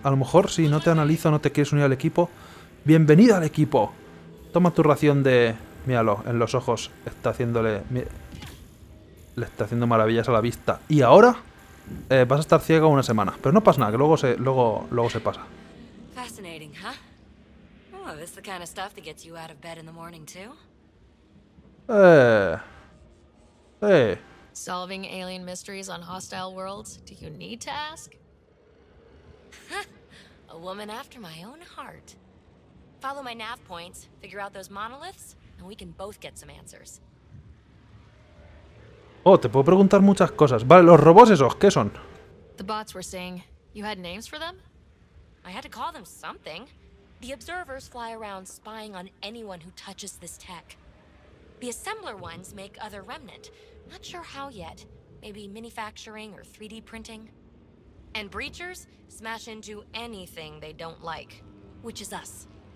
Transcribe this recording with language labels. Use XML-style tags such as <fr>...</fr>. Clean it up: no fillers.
<es>A lo mejor si no te analizo, no te quieres unir al equipo. Bienvenida al equipo. Toma tu ración de. Míralo, en los ojos. Está haciéndole. Le está haciendo maravillas a la vista. Y ahora. Vas a estar ciega una semana. Pero no pasa nada, que luego se pasa.</es> <en>Fascinating, ¿eh? Oh, this is the kind of stuff that gets you out of bed in the morning, too? Hey. Solving alien mysteries on hostile worlds? Do you need to ask? A woman after my own heart. Follow my nav points, figure out those monoliths, and we can both get some answers.</en> <es>Oh, te puedo preguntar muchas cosas. Vale, los robots esos, ¿qué son?</es> <en>The bots were saying, you had names for them? I had to call them something. The observers fly around spying on anyone who touches this tech. The assembler ones make other remnant. Not sure how yet. Maybe manufacturing or 3D printing. And breachers smash into anything they don't like, which is us.</en>